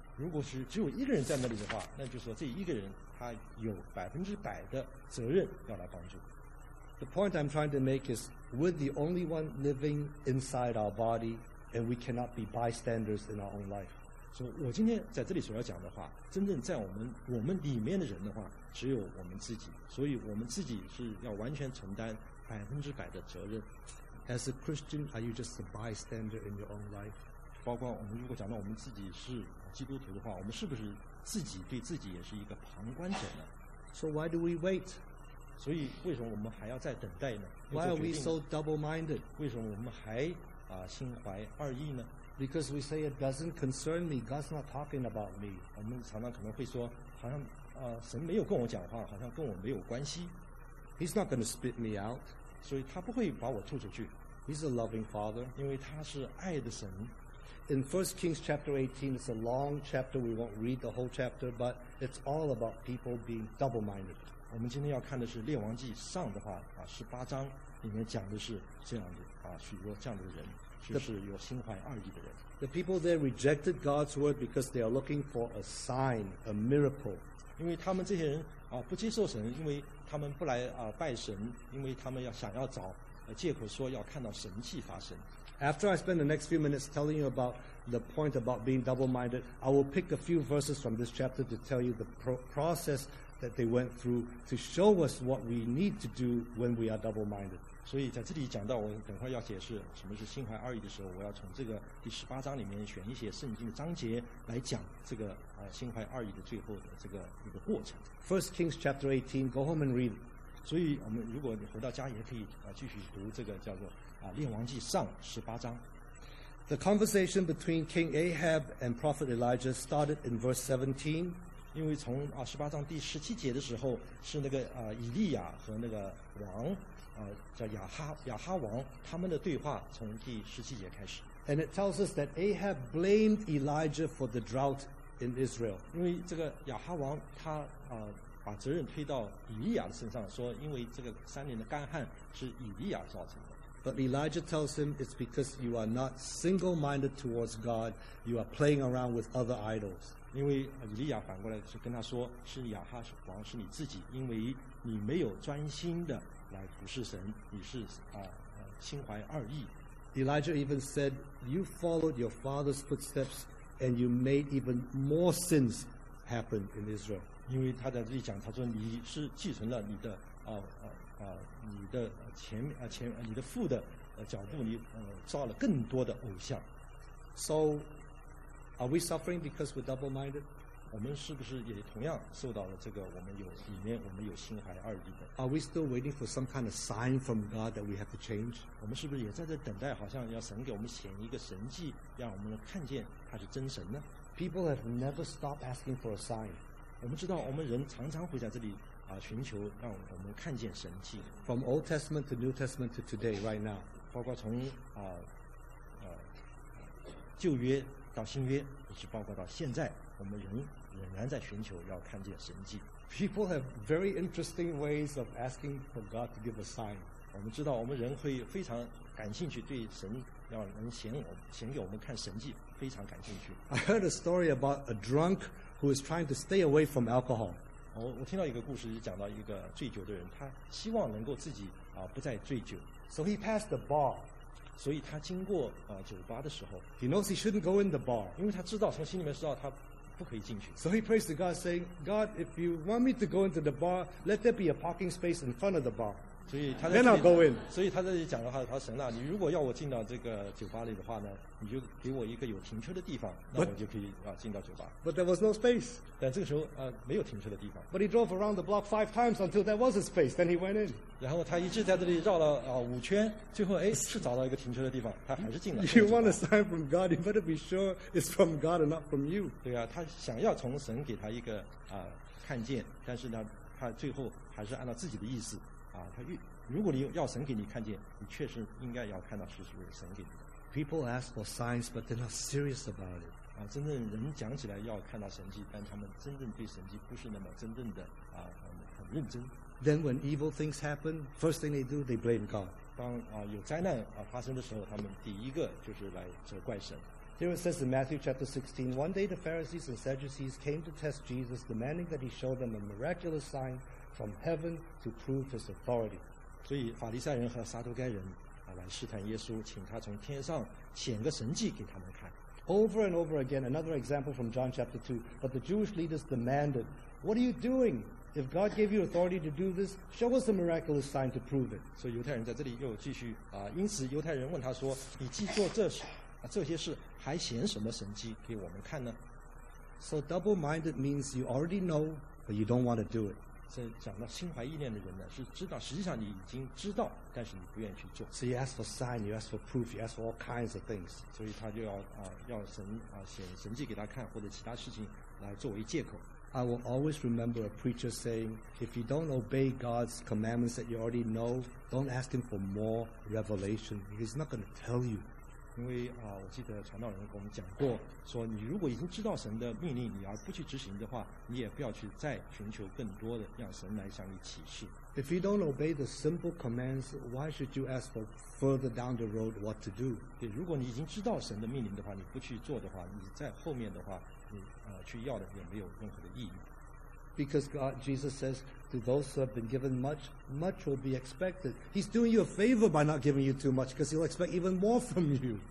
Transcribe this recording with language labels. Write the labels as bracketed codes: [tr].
[zh] 如果是只有一个人在那里的话，那就说这一个人他有100%的责任要来帮助。 [en] The point I'm trying to make is we're the only one living inside our body, and we cannot be bystanders in our own life. [zh] 所以我今天在这里所要讲的话，真正在我们里面的人的话，只有我们自己，所以我们自己是要完全承担100%的责任。 [en] As a Christian, are you just a bystander in your own life? [zh] 包括我们如果讲到我们自己是基督徒的话，我们是不是自己对自己也是一个旁观者呢？ [en] So why do we wait? [zh] 所以为什么我们还要再等待呢？ [en] Why are we so double-minded? [zh] 为什么我们还心怀二意呢？ [en] Because we say it doesn't concern me. God's not talking about me. [zh] 我们常常可能会说，好像神没有跟我讲话，好像跟我没有关系。 [en] He's not going to spit me out. [zh] 所以他不会把我吐出去。 [en] He's a loving father. [zh] 因为他是爱的神。 [en] In 1 Kings chapter 18, it's a long chapter. We won't read the whole chapter, but it's all about people being double-minded. [zh] 我们今天要看的是列王记上的话18章里面讲的是这样的许多这样的人，就是有心怀二意的人。 [en] The people there rejected God's word because they are looking for a sign, a miracle. [zh] 因为他们这些人不接受神，因为他们不来拜神，因为他们要想要找借口说要看到神迹发生。 [en] After I spend the next few minutes telling you about the point about being double-minded, I will pick a few verses from this chapter to tell you the process that they went through to show us what we need to do when we are double-minded. [zh] 所以在这里讲到，我等会要解释什么是心怀二意的时候，我要从这个第十八章里面选一些圣经的章节来讲这个心怀二意的最后的这个一个过程。 [en] First Kings chapter 18, go home and read. [zh] 所以我们如果你回到家也可以继续读这个叫做列王记上十八章。 [en] The conversation between King Ahab and Prophet Elijah started in verse 17. [zh] 因为从啊十八章第十七节的时候，是那个啊以利亚和那个王啊叫亚哈王他们的对话从第十七节开始。 [en] And it tells us that Ahab blamed Elijah for the drought in Israel. [zh] 因为这个亚哈王他啊把责任推到以利亚的身上，说因为这个三年的干旱是以利亚造成的。 [en] But Elijah tells him it's because you are not single-minded towards God. You are playing around with other idols. [zh] 因为以利亚反过来是跟他说，是亚哈王是你自己，因为你没有专心的来服侍神，你是啊心怀二意。 [en] Elijah even said, "You followed your father's footsteps, and you made even more sins happen in Israel." [zh] 因为他在这里讲，他说你是继承了你的啊。你的前你的父的脚步，你造了更多的偶像。 [en] So, are we suffering because we're double-minded? [zh] 我们是不是也同样受到了这个？我们有里面我们有心怀二意的。 [en] Are we still waiting for some kind of sign from God that we have to change? [zh] 我们是不是也在这等待，好像要神给我们显一个神迹，让我们看见他是真神呢 [en] ？People have never stopped asking for a sign. [zh] 我们知道，我们人常常会在这里。寻求让我们看见神迹。 [en] From Old Testament to New Testament to today, right now, [zh] 包括从旧约到新约，以及包括到现在，我们仍然在寻求要看见神迹。 [en] People have very interesting ways of asking for God to give a sign. [zh] 我们知道，我们人会非常感兴趣，对神要能显给我们看神迹非常感兴趣。 [en] I heard a story about a drunk who is trying to stay away from alcohol. [zh] 我听到一个故事，就讲到一个醉酒的人，他希望能够自己不再醉酒。 [en] So he passed the bar， [zh] 所以他经过酒吧的时候 [en] ，He knows he shouldn't go in the bar， [zh] 因为他知道从心里面知道他不可以进去。 [en] So he prays to God, saying, "God, if you want me to go into the bar, let there be a parking space in front of the bar." [zh] 所以他 [en] Then I'll go in。 [zh] 所以他在这里讲的话，他神啊，你如果要我进到这个酒吧里的话呢，你就给我一个有停车的地方，那我就可以进到酒吧。 [en] But there was no space。 [zh] 但这个时候没有停车的地方。 [en] But he drove around the block 5 times until there was a space. Then he went in。 [zh] 然后他一直在这里绕了五圈，最后是找到一个停车的地方，他还是进了。 [en] You want a sign from God? You better be sure it's from God and not from you。 [zh] 对啊，他想要从神给他一个看见，但是呢，他最后还是按照自己的意思他如果你要神给你看见，你确实应该要看到是神给你的。 [en] People ask for signs, but they're not serious about it. [zh] 真正人讲起来要看到神迹，但他们真正对神迹不是那么真正的很认真。 [en] Then when evil things happen, first thing they do, they blame God. [zh] 当有灾难发生的时候，他们第一个就是来责怪神。 [en] Here it says in Matthew chapter 16, one day the Pharisees and Sadducees came to test Jesus, demanding that he show them a miraculous sign from heaven to prove his authority. [zh] 所以法利赛人和撒都该人来试探耶稣，请他从天上显个神迹给他们看。 [en] Over and over again, another example from John chapter 2. But the Jewish leaders demanded, "What are you doing? If God gave you authority to do this, show us a miraculous sign to prove it." [zh] 所以犹太人在这里又继续因此犹太人问他说：“你既做这些事，还显什么神迹给我们看呢？” [en] So double-minded means you already know, but you don't want to do it. [zh] 这讲到心怀意念的人呢，是知道，实际上你已经知道，但是你不愿意去做。 [en] So you ask for sign, you ask for proof, you ask for all kinds of things. [zh] 所以他就要神显神迹给他看，或者其他事情来作为借口。 [en] I will always remember a preacher saying, "If you don't obey God's commandments that you already know, don't ask Him for more revelation. He's not going to tell you." [zh] 因为我记得传道人跟我们讲过，说你如果已经知道神的命令，你而不去执行的话，你也不要去再寻求更多的让神来向你启示。 [en] If you don't obey the simple commands, why should you ask for further down the road what to do? [zh] 对，如果你已经知道神的命令的话，你不去做的话，你在后面的话，你去要的也没有任何的意义。 [en] Because God, Jesus says, to those who have been given much, much will be expected. He's doing you a favor by not giving you too much, because he'll expect even more from you.